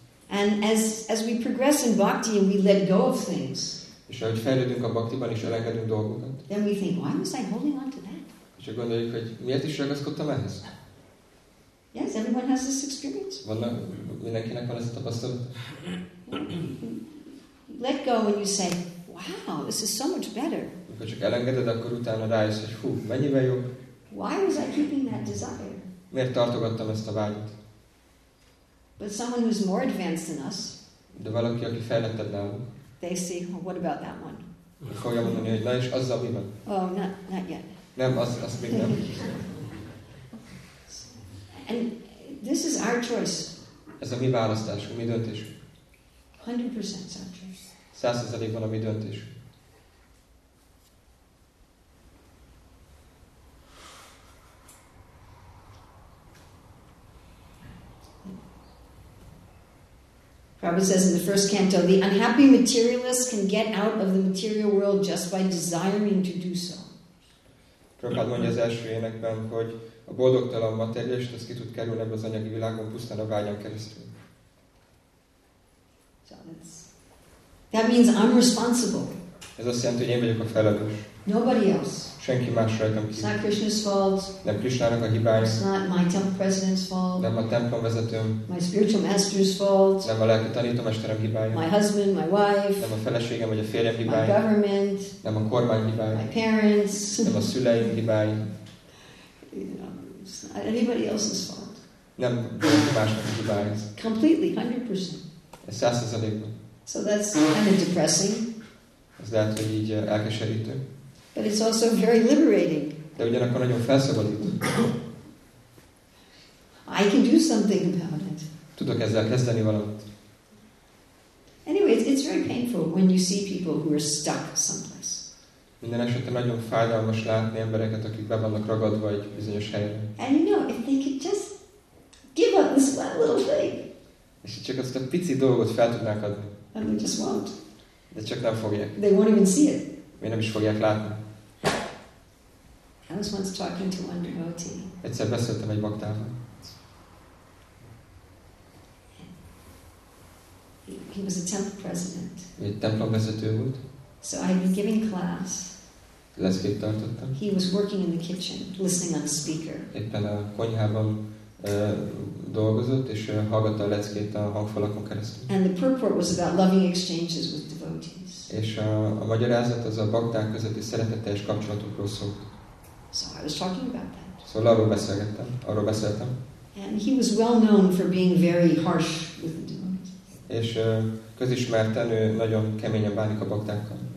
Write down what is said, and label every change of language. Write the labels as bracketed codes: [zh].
[en] And as we progress in bhakti and we let go of things, [hu] és ahogy fejlődünk a bhaktiban és elengedünk dolgokat, [en] then we think, why was I holding on to that? [hu] És akkor gondoljuk, hogy miért is ragaszkodtam ehhez? [en] Yes, everyone has this experience. [hu] Mindenkinek van ez a tapasztalat. [en] Let go and you say, wow, this is so much better. [hu] Amikor csak elengeded, akkor utána rájössz, hogy hú, mennyivel jobb. [en] Why was I keeping that desire? [hu] Miért tartogattam ezt a vágyat? [en] But someone who's more advanced than us. [hu] De valaki, aki fejlettebb nálunk. [en] They say, well, what about that one? [hu] Fogja mondani, hogy na és az a mi van? [en] Oh, not yet. [hu] Nem, az még nem. [en] And this is our choice. [hu] Ez a mi választásunk, mi döntésünk. [en] 100% our choice. [hu] 100%-ban a mi döntésünk. [en] Prabhupada says in the first canto, the unhappy materialist can get out of the material world just by desiring to do so. [hu] Prabhupada mondja az első énekben, hogy a boldogtalan materialist az ki tud kerülni ebbe az anyagi világon pusztán a vágyon keresztül. [en] That means I'm responsible. [hu] Ez azt jelenti, hogy én vagyok a felelős. [en] Nobody else. [hu] Senki más rajtam kívül. [en] It's not Krishna's fault. [hu] Nem Krishnának a hibája. [en] It's not my temple president's fault. [hu] Nem a templom vezetőm. [en] My spiritual master's fault. [hu] Nem a lelki tanítómesterem hibája. [en] My husband, my wife. [hu] Nem a feleségem vagy a férjem hibája. [en] My government. [hu] Nem a kormány hibája. [en] My parents. [hu] Nem a szüleim hibája. [en] You know, it's not anybody else's fault. [hu] Nem senki másnak a hibája. [en] Completely, 100%. [hu] Ez 100%. [en] So that's kind of depressing. [hu] Ez lehet, hogy így elkeserítő. [en] But it's also very liberating. [hu] De ugyanakkor nagyon felszabadító. [en] I can do something about it. [hu] Tudok ezzel kezdeni valamit. [en] Anyway, it's very painful when you see people who are stuck someplace. [hu] Minden esetre nagyon fájdalmas látni embereket, akik be vannak ragadva egy bizonyos helyen. [en] And you know, if they could just give up this one little thing. [hu] És csak azt a pici dolgot fel tudnák adni. [en] And they just won't. [hu] De csak nem fogják. [en] They won't even see it. [hu] Még nem is fogják látni. [en] I was once talking to one devotee. [hu] Egyszer beszéltem egy baktával. [en] He was a temple president. [hu] Egy templom vezető volt. [en] So I had been giving class. [hu] Leszkét tartottam. [en] He was working in the kitchen, listening on a speaker. [hu] Éppen a konyhában dolgozott, és hallgatta a leckét a hangfalakon keresztül. [en] And the purport was about loving exchanges with devotees. [hu] És a magyarázat az a bakták közötti szeretetteljes kapcsolatokról szólt. [en] So I was talking about that. [hu] Szóval arról beszéltem. [en] And he was well known for being very harsh with the devotees. [hu] És közismerten ő nagyon keményen bánik a baktákkal.